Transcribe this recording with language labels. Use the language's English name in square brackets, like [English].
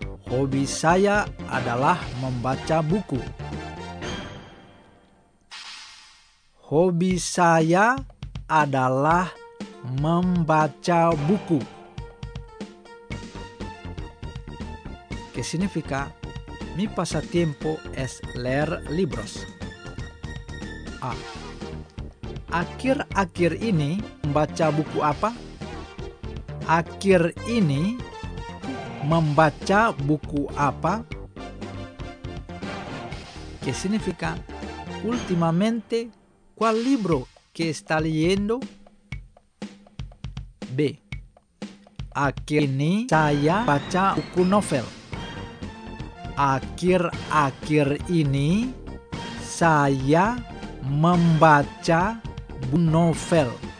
[Indonesian] Hobi saya adalah membaca buku. Hobi saya adalah membaca buku. [Spanish] ¿Qué significa? Mi pasatiempo es leer libros. A. [Indonesian] Akhir-akhir ini membaca buku apa? Akhir ini membaca buku apa? [Spanish] ¿Qué significa? Últimamente, ¿cuál libro que está leyendo? [Indonesian] B. Akhir ini saya baca buku novel. Akhir-akhir ini saya membaca buku novel.